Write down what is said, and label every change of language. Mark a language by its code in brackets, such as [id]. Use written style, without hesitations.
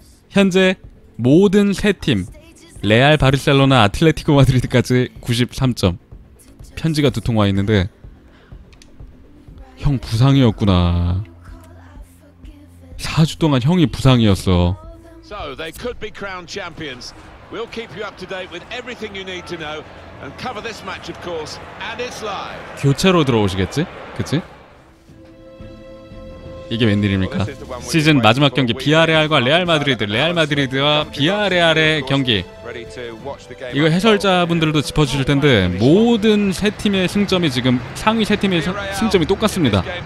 [ko] 현재 모든 세 팀, 레알, 바르셀로나, 아틀레티코 마드리드까지 93점. 편지가 두 통 와 있는데. 형 부상이었구나. 4주 동안 형이 부상이었어. [en] So they could be crowned champions. We'll keep you up to date with everything you need to know and cover this match, of course, and it's live. [ko] 교체로 들어오시겠지? 그치? 이게 웬일입니까? 시즌 마지막 경기 비아레알과 레알 마드리드, 레알 마드리드와 비아레알의 경기. 이거 해설자분들도 짚어주실 텐데 모든 세 팀의 승점이 지금 상위 세 팀의 승점이 똑같습니다.